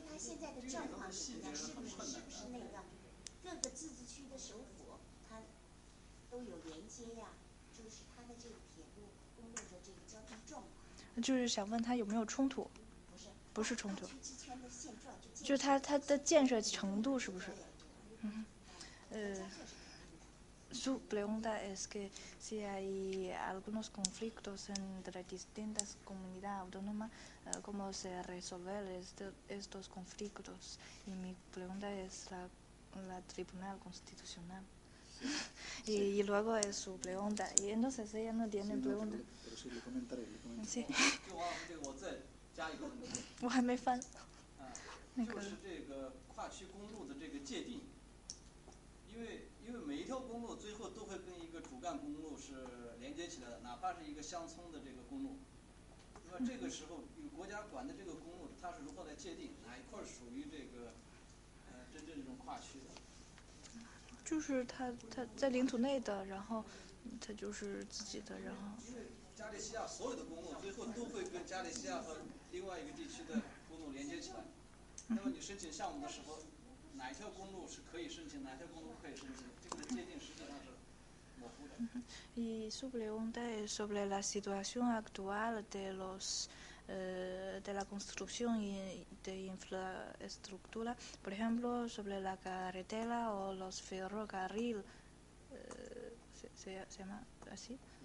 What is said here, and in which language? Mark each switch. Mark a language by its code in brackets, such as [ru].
[zh] 他现在的状况，是不是那个各个自治区的首府，它都有连接呀？就是想问他有没有冲突，不是冲突，就是他的建设程度是不是？ [es] 嗯，su pregunta es que si hay algunos conflictos entre distintas comunidades autónomas, cómo se resolver estos conflictos. Y mi pregunta es la Tribunal Constitucional. Y luego es su pregunta. Y entonces ella no tiene pregunta. Sí. [zh] 就我这个，我再加一个问题。我还没翻。啊，就是这个跨区公路的这个界定，因为每一条公路最后都会跟一个主干公路是连接起来的，哪怕是一个乡村的这个公路，那么这个时候与国家管的这个公路，它是如何来界定哪一块属于这个真正这种跨区的？就是他在领土内的，然后他就是自己的，然后。加利西亚所有的公路最后都会跟加利西亚和另外一个地区的公路连接起来，那么你申请项目的时候，哪一条公路是可以申请，哪一条公路不可以申请，这个界定实际上是 [es] Y su pregunta es sobre la situación actual de la construcción y de infraestructura, por ejemplo, sobre la carretera o los ferrocarril, ¿se llama así?